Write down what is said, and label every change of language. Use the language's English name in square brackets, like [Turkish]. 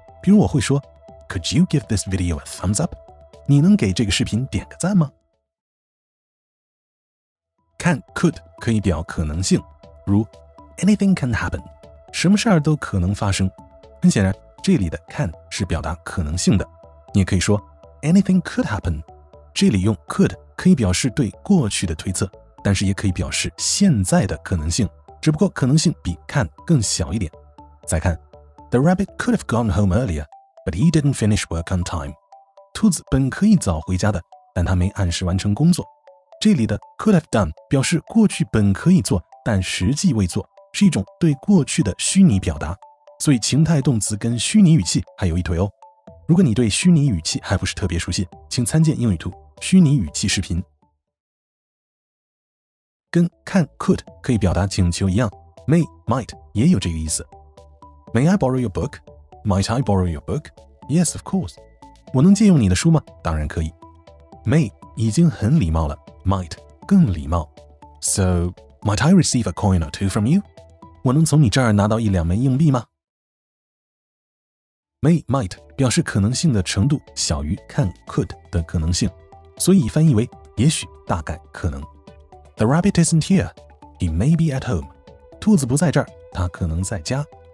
[Chinese] 比如我会说 [English] Could you give this video a thumbs up? [Chinese] 你能给这个视频点个赞吗？ Can could 可以表可能性，如 [English] Anything can happen， [Chinese] 什么事都可能发生。很显然这里的 can 是表达可能性的，你也可以说 [English] Anything could happen， [Chinese] 这里用 could 可以表示对过去的推测，但是也可以表示现在的可能性，只不过可能性比 can 更小一点。 [English] 再看 The rabbit could have gone home earlier, but he didn't finish work on time. [Chinese] 兔子本可以早回家的，但他没按时完成工作。这里的 could have done 表示过去本可以做，但实际未做，是一种对过去的虚拟表达。所以情态动词跟虚拟语气还有一腿哦。如果你对虚拟语气还不是特别熟悉，请参见英语图虚拟语气视频。跟 can could 可以表达请求一样， [English] may, might [Chinese] 也有这个意思。 [English] May I borrow your book? Might I borrow your book? Yes, of course. [Chinese] 我能借用你的书吗？当然可以。 May 已经很礼貌了， might 更礼貌。 [English] So, might I receive a coin or two from you? [Chinese] 我能从你这儿拿到一两枚硬币吗？ May, might 表示可能性的程度小于看 could 的可能性，所以翻译为也许、大概、可能。 [English] The rabbit isn't here. He may be at home. [Chinese] 兔子不在这儿，他可能在家。